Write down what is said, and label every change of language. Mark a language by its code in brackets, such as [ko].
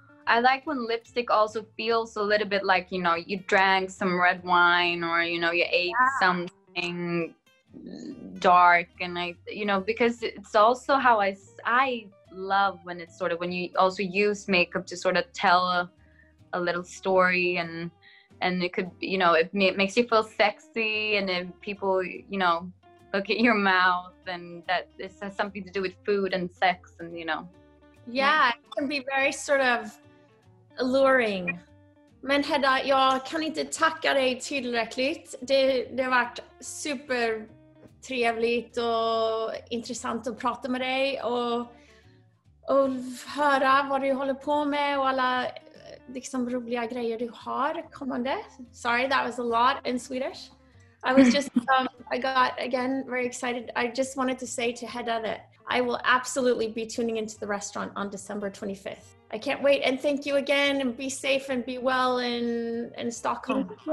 [en] I like when lipstick also feels a little bit like, you know, you drank some red wine, or, you know, you ate something dark, and because it's also how I love when it's sort of, when you also use makeup to sort of tell a little story, and it could, you know, it makes you feel sexy, and then people, you know, look at your mouth, and that this has something to do with food and sex, and, you know. Yeah, it can be very sort of alluring. [sv] Men Hedda, jag kan inte tacka dig tillräckligt. Det har varit super trevligt och intressant att prata med dig och höra vad du håller på med och alla liksom roliga grejer du har kommande. [en] Sorry, that was a lot in Swedish. I was just, I got, again, very excited. I just wanted to say to Hedda that I will absolutely be tuning into the restaurant on December 25th. I can't wait. And thank you again, and be safe and be well in Stockholm.